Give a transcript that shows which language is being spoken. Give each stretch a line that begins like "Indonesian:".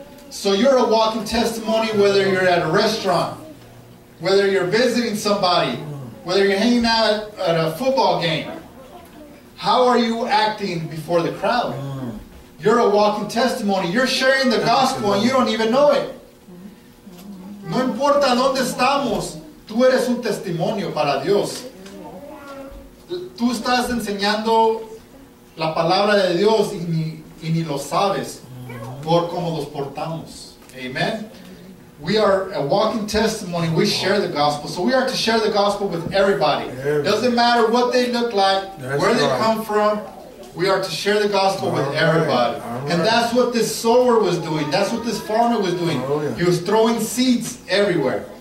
English: So you're a walking testimony, whether you're at a restaurant, whether you're visiting somebody, whether you're hanging out at a football game. How are you acting before the crowd? You're a walking testimony. You're sharing the gospel and you don't even know it.
Spanish: No importa dónde estamos, tú eres un testimonio para Dios. Tú estás enseñando la palabra de Dios y ni lo sabes por cómo nos portamos.
English: Amen. We are a walking testimony. We share the gospel. So we are to share the gospel with everybody. Doesn't matter what they look like, where they come from. We are to share the gospel with everybody. And that's what this sower was doing. That's what this farmer was doing. He was throwing seeds everywhere.